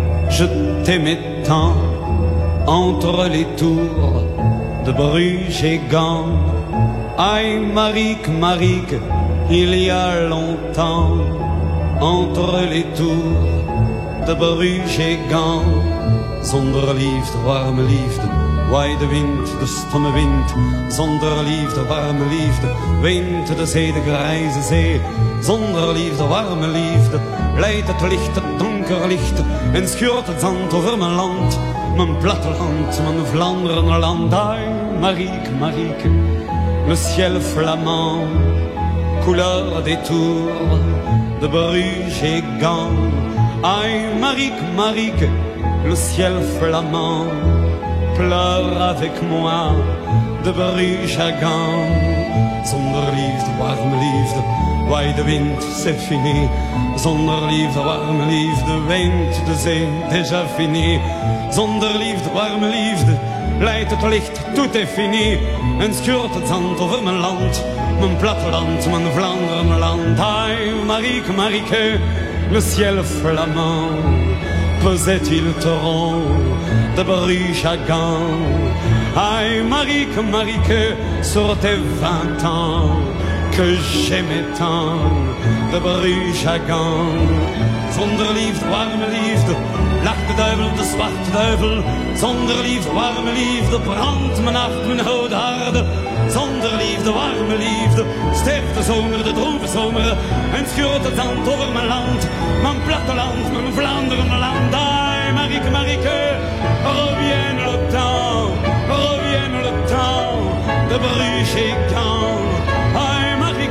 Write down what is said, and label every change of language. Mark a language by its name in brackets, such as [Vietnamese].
[French] Je t'aimais tant entre les tours de Bruges et Gand. Aïe, Marieke, Marieke, il y a longtemps entre les tours de Bruges et Gand. [Dutch] Zonder liefde, warme liefde, waai de wind, de stomme wind. Zonder liefde, warme liefde, wind de zee, de grijze zee. Zonder liefde, warme liefde, leidt het licht, het donker licht. En schuurt het zand over mijn land, mijn platteland, mijn Vlaanderen land. [French] Ai, Marieke, Marieke, le ciel flamand, couleur des tours de Bruges et Gand. Ai, Marieke, Marieke, le ciel flamand, pleure avec moi de Bruges à Gand. [Dutch] Zonder liefde, warme liefde, waai de wind, [French] c'est fini. [Dutch] Zonder liefde, warme liefde, wind de zee, [French] déjà fini. [Dutch] Zonder liefde, warme liefde, leidt het licht, [French] tout est fini. [Dutch] En schuurt het zand over mijn land, mijn platteland, mijn Vlaanderen land. [French] Ai, Marieke, Marieke, le ciel flamand, pesait-il torrent de Bruges à Gand. Ai, Marieke, Marieke, sur tes vingt ans, que j'aimais tant de Bruges à Gand. [Dutch] Zonder liefde, warme liefde, lacht de duivel, de zwarte duivel. Zonder liefde, warme liefde, brandt mijn hart, mijn oude harde. Zonder liefde, warme liefde, sterft de zomer, de droeve zomer. En schuurt het zand over mijn land, mijn platteland, mijn Vlaanderen land. [French] Ai, Marieke, Marieke, reviens le temps, reviens le temps de Bruges à Gand.